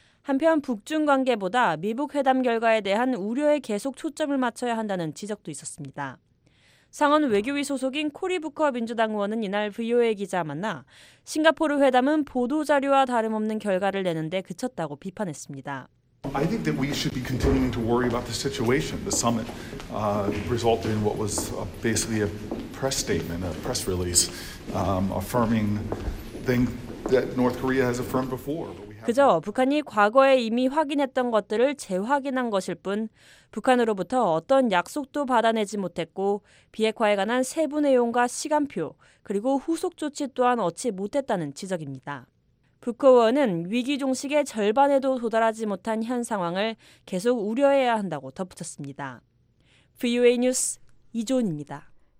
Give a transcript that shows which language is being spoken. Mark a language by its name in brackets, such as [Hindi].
[Korean] 한편 북중 관계보다 미북 회담 결과에 대한 우려에 계속 초점을 맞춰야 한다는 지적도 있었습니다. 상원 외교위 소속인 코리 부커 민주당 의원은 이날 VOA 기자 만나 싱가포르 회담은 보도자료와 다름없는 결과를 내는데 그쳤다고 비판했습니다. [English] I think that we should be continuing to worry about the situation. The summit resulted in what was basically a press statement, a press release, affirming things that North Korea has affirmed before. [Korean] 그저 북한이 과거에 이미 확인했던 것들을 재확인한 것일 뿐 북한으로부터 어떤 약속도 받아내지 못했고 비핵화에 관한 세부 내용과 시간표 그리고 후속 조치 또한 얻지 못했다는 지적입니다. 부커 의원은 위기 종식의 절반에도 도달하지 못한 현 상황을 계속 우려해야 한다고 덧붙였습니다. VOA 뉴스 이조은입니다.